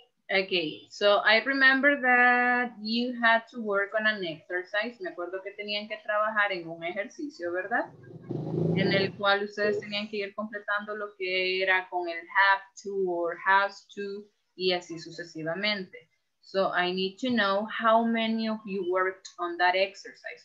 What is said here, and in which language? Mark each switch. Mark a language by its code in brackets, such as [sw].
[en] Okay, so I remember that you had to work on an exercise. [es] Me acuerdo que tenían que trabajar en un ejercicio, ¿verdad? En el cual ustedes tenían que ir completando lo que era con el have to or has to y así sucesivamente. [en] So I need to know how many of you worked on that exercise.